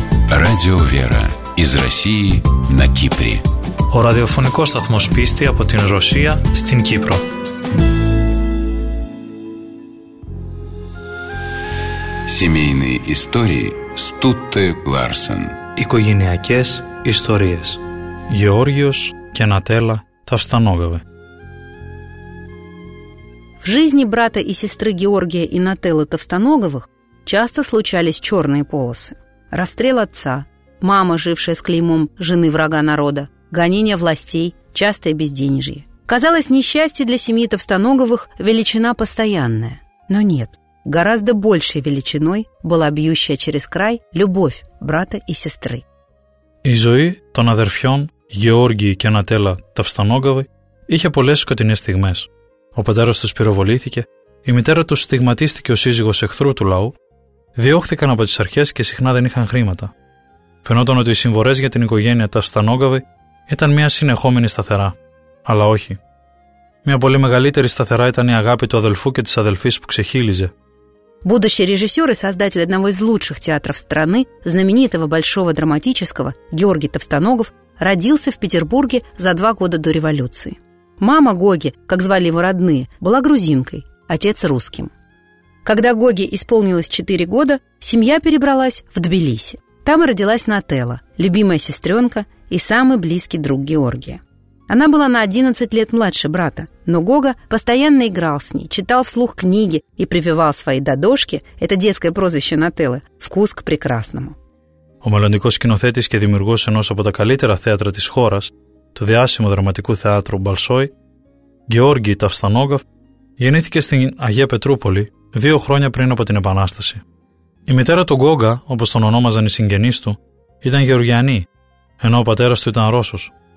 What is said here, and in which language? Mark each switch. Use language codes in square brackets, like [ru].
[ru] Радио Вера из России на Кипре. [el] О радиофонικό σταθμός πίστη από την Ρωσία στην Κύπρο. [ru] Семейные истории Стутте Ларсен. [el] Οικογενειακές ιστορίες. Георгиос και Нателла Тавстаногове. [ru] В жизни брата и сестры Георгия и Нателлы Тавстаноговых часто случались черные полосы. Расстрел отца, мама, жившая с клеймом жены врага народа, гонения властей, частое безденежье. Казалось, несчастье для семьи Тавстаноговых – величина постоянная. Но нет, гораздо большей величиной была бьющая через край любовь брата и сестры. [el] Η ζωή των αδερφιών Γεώργη και Νατέλα Ταυστανόγκαβη είχε πολλές σκοτεινές στιγμές. Ο πατέρας τους πυροβολήθηκε, η μητέρα τους στιγματίστηκε ως σύζυγος εχθρού του λαού, διώχθηκαν από τις αρχές και συχνά δεν είχαν χρήματα. Φαινόταν ότι οι συμβορές για την οικογένεια Ταυστανόγκαβη ήταν μια συνεχόμενη σταθερά. Αλλά όχι. Μια πολύ μεγαλύτερη σταθερά ήταν η αγάπη του αδελφού και της αδελφής που ξεχύλιζε. [ru] Будущий режиссер и создатель одного из лучших театров страны, знаменитого большого драматического, Георгий Тавстаногов, родился в Петербурге за 2 года до революции. Мама Гоги, как звали его родные, была грузинкой, отец русским. Когда Гоге исполнилось 4 года, семья перебралась в Тбилиси. Там и родилась Нателла, любимая сестренка и самый близкий друг Георгия. Она была на 11 лет младше брата, но Гога постоянно играл с ней, читал вслух книги и прививал своей дадошке, это детское прозвище Нателлы, вкус к прекрасному. [el] Ο μελλοντικός σκηνοθέτης και δημιουργός ενός από τα καλύτερα θέατρα της χώρας, του διάσημου δραματικού θεάτρου Μπαλσόι, Γεώργη Ταυστανόγκαβ, γεννήθηκε στην Αγία Πετρούπολη 2 χρόνια πριν από την Επανάσταση. Η μητέρα του Γκόγκα, όπως τον ονόμαζαν οι συγγενείς του, ήταν Γεωργιανή, ενώ ο πατέρας του ήταν Ρώσος.